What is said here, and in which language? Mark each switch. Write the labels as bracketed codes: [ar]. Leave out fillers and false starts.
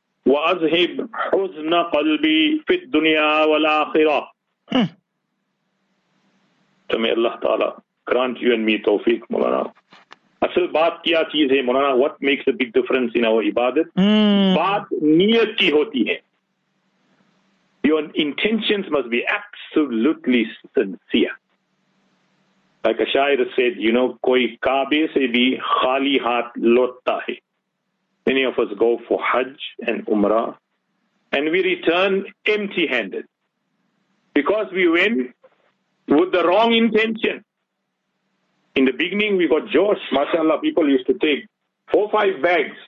[ar] وأذهب حزن قلبي في الدنيا والآخرة. [ur] تو میں اللہ تعالیٰ [en] grant you and me [ur] توفیق مولانا. اصل بات کیا چیز ہے مولانا, [en] what makes a big difference in our [ur] عبادت؟ بات نیت کی ہوتی ہے. [en] Your intentions must be absolutely sincere. Like a shair said, you know, [ur] کوئی کعبے سے بھی خالی ہاتھ لوٹتا ہے. [en] Many of us go for Hajj and Umrah and we return empty-handed because we went with the wrong intention. In the beginning, we got Josh. MashaAllah, people used to take 4-5 bags.